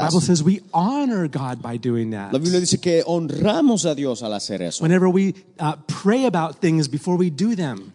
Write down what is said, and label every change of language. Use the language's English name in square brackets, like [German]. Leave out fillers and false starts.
[English] The Bible says we honor God by doing that. [Spanish] La Biblia dice que honramos a Dios al hacer eso. [English] Whenever we pray about things before we do them.